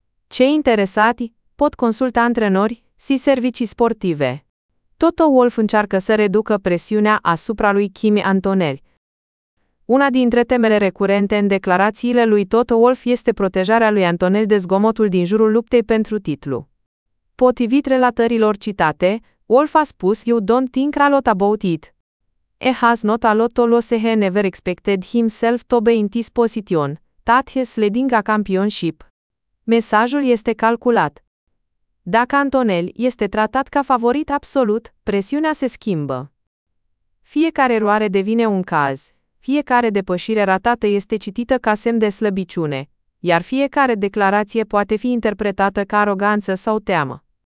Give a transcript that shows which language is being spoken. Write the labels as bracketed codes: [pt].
[ro] Cei interesați pot consulta antrenori și servicii sportive. Toto Wolff încearcă să reducă presiunea asupra lui Kimi Antonelli. Una dintre temele recurente în declarațiile lui Toto Wolff este protejarea lui Antonelli de zgomotul din jurul luptei pentru titlu. Potrivit relatărilor citate, Wolff a spus, [en] "You don't think a lot about it. He has not a lot to lose, he never expected himself to be in this position, that he's leading a championship." [ro] Mesajul este calculat. Dacă Antonelli este tratat ca favorit absolut, presiunea se schimbă. Fiecare eroare devine un caz. Fiecare depășire ratată este citită ca semn de slăbiciune, iar fiecare declarație poate fi interpretată ca aroganță sau teamă.